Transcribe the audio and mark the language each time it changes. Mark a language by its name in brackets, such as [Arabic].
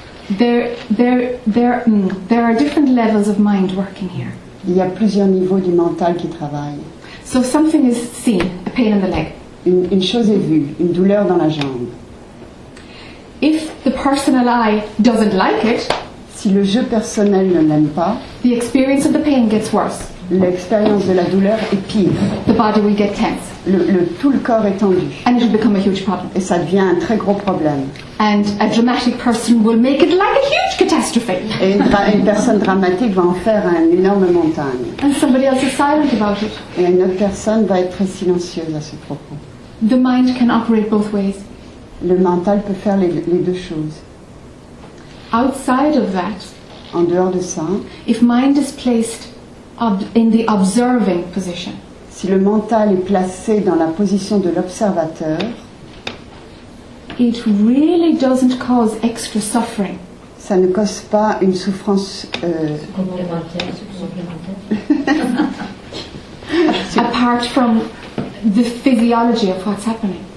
[English] There are different levels of mind working here. [French] Il y a plusieurs niveaux du mental qui travaillent. [English] So something is seen, a pain in the leg. [French] Une chose est vue, une douleur dans la jambe. [English] If the personal I doesn't like it, [French] si le je personnel ne l'aime pas, [English] the experience of the pain gets worse. [French] L'expérience de la douleur est pire. [English] The body will get tense. [French] Tout le corps est tendu. [English] And it will become a huge problem. [French] Et ça devient un très gros problème. [English] And a dramatic person will make it like a huge catastrophe. [French] Et une personne dramatique va en faire une énorme montagne. [English] And somebody else is silent about it. [French] Et une autre personne va être très silencieuse à ce propos. [English] The mind can operate both ways. [French] Le mental peut faire les deux choses. [English] Outside of that, [French] en dehors de ça, [English] if mind is placed in the observing position. [French] Si le mental est placé dans la position de l'observateur, [English] it really doesn't cause extra suffering. [French] Ça ne cause pas une souffrance supplémentaire. [English] Apart from the physiology of what's happening.